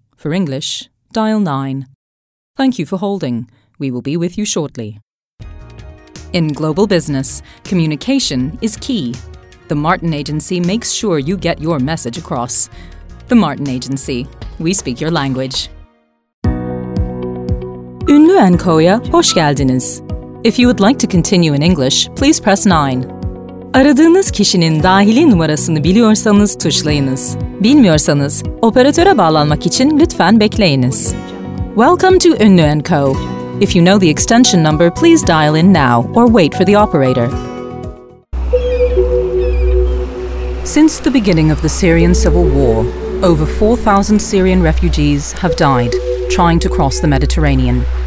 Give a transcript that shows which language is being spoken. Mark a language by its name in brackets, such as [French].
[English] For English, dial 9. Thank you for holding. We will be with you shortly. In global business, communication is key. The Martin Agency makes sure you get your message across. The Martin Agency. We speak your language. [Turkish] Ünlü Enko'ya hoş geldiniz. [English] If you would like to continue in English, please press 9. [Turkish] Aradığınız kişinin dahili numarasını biliyorsanız tuşlayınız. Bilmiyorsanız, operatöre bağlanmak için lütfen bekleyiniz. [English] Welcome to Ünlü Enko. If you know the extension number, please dial in now or wait for the operator. Since the beginning of the Syrian civil war, over 4,000 Syrian refugees have died trying to cross the Mediterranean.